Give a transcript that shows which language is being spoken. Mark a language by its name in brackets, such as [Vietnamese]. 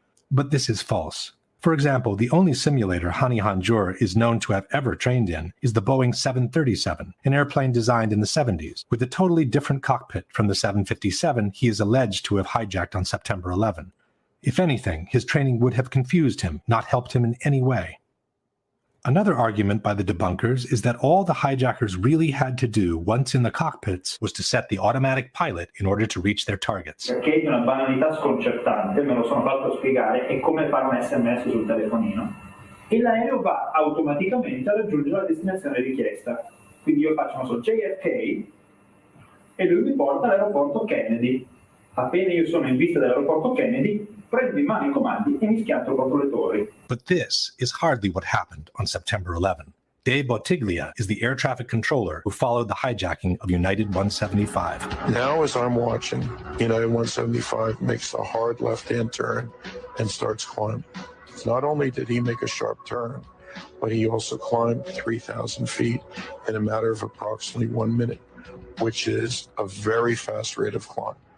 [English] But this is false. For example, the only simulator Hani Hanjour is known to have ever trained in is the Boeing 737, an airplane designed in the 70s, with a totally different cockpit from the 757 he is alleged to have hijacked on September 11. If anything, his training would have confused him, not helped him in any way. Another argument by the debunkers is that all the hijackers really had to do once in the cockpits was to set the automatic pilot in order to reach their targets. [Italian] Perché è una banalità sconcertante, me lo sono fatto spiegare, è come fare un SMS sul telefonino. E l'aereo va automaticamente a raggiungere la destinazione richiesta. Quindi io faccio, non so, JFK e lui mi porta all'aeroporto Kennedy. Appena io sono in vista dell'aeroporto Kennedy, prendo in mano i comandi e mi schianto contro le torri. [English] But this is hardly what happened on September 11. Dave Bottiglia is the air traffic controller who followed the hijacking of United 175. Now, as I'm watching, United 175 makes a hard left-hand turn and starts climbing. Not only did he make a sharp turn, but he also climbed 3,000 feet in a matter of approximately 1 minute, which is a very fast rate of climb.